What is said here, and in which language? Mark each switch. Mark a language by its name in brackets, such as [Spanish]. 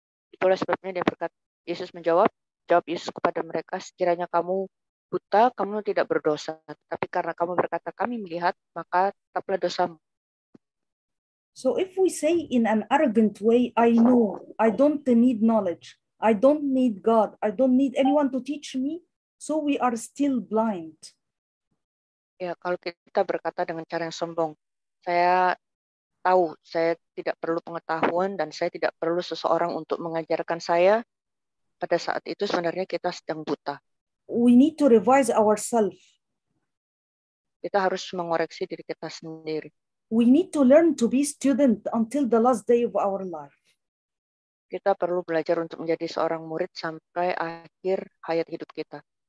[Indonesian] Itulah sebabnya dia berkata, Yesus menjawab, jawab Yesus kepada mereka, sekiranya kamu buta, kamu tidak berdosa. Tapi karena kamu berkata kami melihat, maka tetaplah dosamu. [English] So if we say in an arrogant way, I know, I don't need knowledge, I don't need God, I don't need anyone to teach me, so we are still blind. [Indonesian] Ya, kalau kita berkata dengan cara yang sombong, saya tahu, saya tidak perlu pengetahuan dan saya tidak perlu seseorang untuk mengajarkan saya, pada saat itu sebenarnya kita sedang buta. [English] We need to revise ourselves. [Indonesian] Kita harus mengoreksi diri kita sendiri. [English] We need to learn to be student until the last day of our life. [Indonesian] Kita perlu belajar untuk menjadi seorang murid sampai akhir hayat hidup kita.